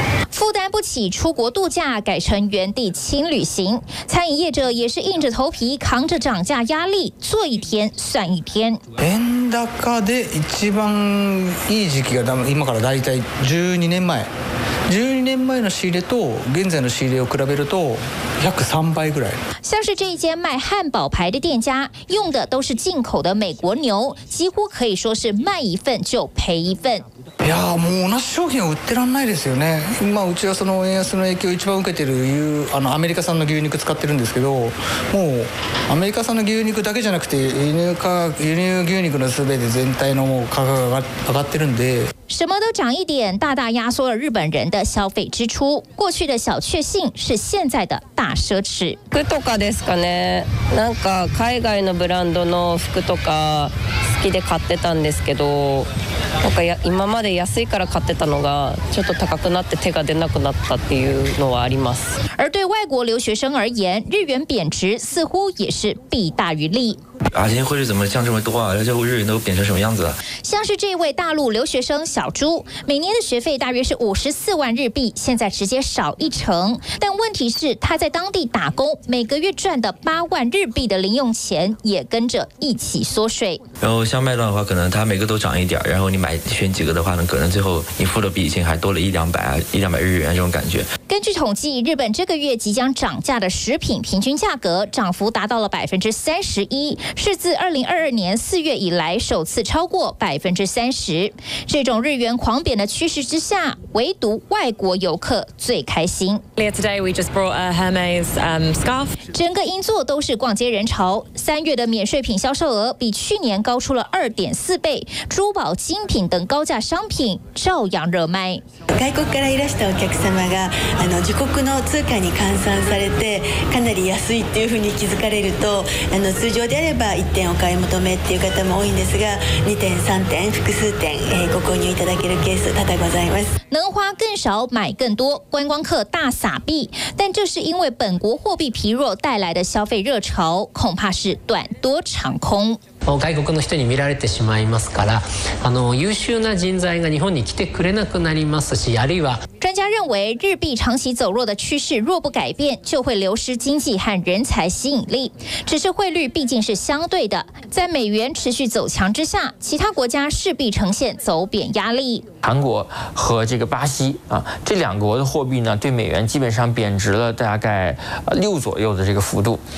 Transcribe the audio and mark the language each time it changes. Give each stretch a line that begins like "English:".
Chinese: 负担不起出国度假，改成原地轻旅行。餐饮业者也是硬着头皮扛着涨价压力，做一天算一天。
Japanese: 円高で一番いい時期が今からだいたい12年前の仕入れと現在の仕入れを比べると約3倍ぐらい。
Chinese: 像是这一间卖汉堡排的店家，用的都是进口的美国牛，几乎可以说是卖一份就赔一份。
Japanese: いやもう同じ商品は売ってらんないですよね。まあうちはその円安の影響を一番受けているアメリカ産の牛肉使ってるんですけど、もうアメリカ産の牛肉だけじゃなくて輸入牛肉の全て全体の価格が上がってるんで。
Chinese: 什么都涨一点，大大压缩了日本人的消费支出。过去的小确幸是现在的大奢侈。
Japanese: 服とかですかね。なんか海外のブランドの服とか好きで買ってたんですけど、なんか今まで安いから買ってたのがちょっと高くなって手が出なくなったっていうのはあります。
Chinese: 而对外国留学生而言，日元贬值似乎也是弊大于利。今天汇率怎么降这么多啊？而且日元都贬成什么样子了？像是这位大陆留学生小朱，每年的学费大约是54万日币，现在直接少一成。但问题是，他在当地打工，每个月赚的8万日币的零用钱也跟着一起缩水。然后像麦当的话，可能他每个都涨一点，然后你买选几个的话呢，可能最后你付的比以前还多了一两百日元这种感觉。根据统计，日本这个月即将涨价的食品平均价格涨幅达到了31%。是自2022年4月以来首次超过30%。这种日元狂贬的趋势之下，唯独外国游客最开心。
English: Today we just brought a Hermes scarf。
Chinese: 整个银座都是逛街人潮。三月的免税品销售额比去年高出了2.4倍，珠宝、精品等高价商品照样热卖。
Japanese: 外国からいらしたお客様が自国の通貨に換算されてかなり安いっていうふうに気づかれると、通常であれば1点お買い求めっていう方も多いんですが、2点、3点、複数点、ご購入いただけるケース多々ございます。
Chinese: 能花更少，买更多，观光客大撒币，但这是因为本国货币疲弱带来的消费热潮，恐怕是短多长空。
Japanese: を外国の人に見られてしまいますから、優秀な人材が日本に来てくれなくなりますし、あるいは
Chinese: 专家认为日币长期走弱的趋势若不改变，就会流失经济和人才吸引力。只是汇率毕竟是相对的，在美元持续走强之下，其他国家势必呈现走贬压力。韩国和这个巴西啊，这两国的货币呢，对美元基本上贬值了大概六左右的这个幅度。